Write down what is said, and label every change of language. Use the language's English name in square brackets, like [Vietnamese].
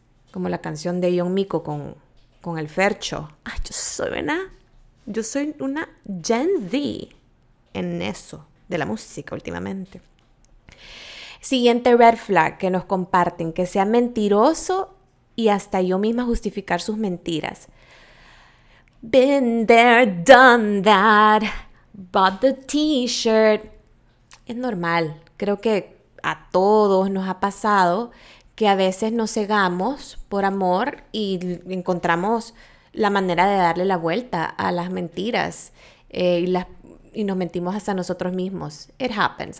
[Spanish] Como la canción de Young Miko con el Fercho. Ay, yo soy una Gen Z en eso, de la música últimamente. Siguiente red flag que nos comparten, que sea mentiroso y hasta yo misma justificar sus mentiras. [English] Been there, done that, bought the t-shirt. [Spanish] Es normal, creo que a todos nos ha pasado que a veces nos cegamos por amor y encontramos la manera de darle la vuelta a las mentiras y nos mentimos hasta nosotros mismos. [English] It happens.